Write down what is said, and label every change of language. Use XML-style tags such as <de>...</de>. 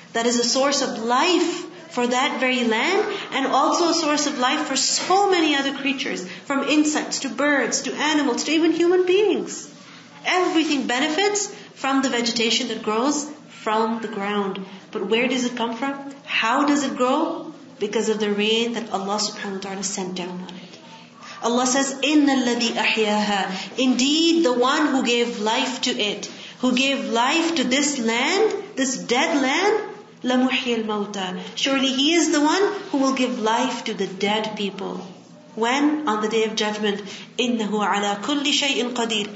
<en>That is a source of life for that very land, and also a source of life for so many other creatures, from insects to birds to animals to even human beings. Everything benefits from the vegetation that grows from the ground. But where does it come from? How does it grow? Because of the rain that Allah subhanahu wa ta'ala sent down on it. Allah says,</en> <ar>إِنَّ الَّذِي أَحْيَاهَا.</ar> <en>Indeed, the one who gave life to it, who gave life to this land, this dead land,</en> <ar>لَمُحْيَ الْمَوْتَى.</ar> <en>Surely He is the one who will give life to the dead people. When? On the Day of Judgment.</en> <ar>إِنَّهُ عَلَى كُلِّ شَيْءٍ قَدِيرٍ.</ar>